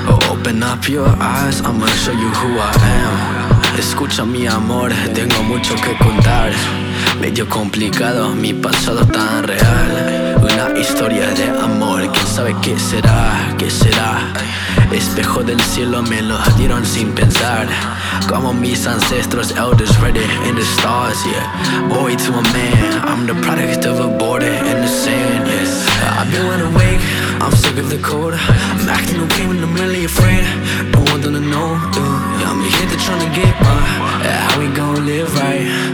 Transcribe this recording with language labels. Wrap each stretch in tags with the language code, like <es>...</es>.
<en>Open up your eyes, I'ma show you who I am.</en> <es>Escucha mi amor, tengo mucho que contar. Medio complicado, mi pasado tan real. Una historia de amor, quién sabe qué será, qué será. Espejo del cielo, me lo dieron sin pensar. Como mis ancestros,</es> <en>elders ready in the stars, yeah. Boy to a man, I'm the product of a border and the sand, yeah. I've been wide awake, I'm sick of the cold. I'm acting okay when I'm really afraid. No one don't know, yeah. I'm here to try to get by. How we gon' live right?</en>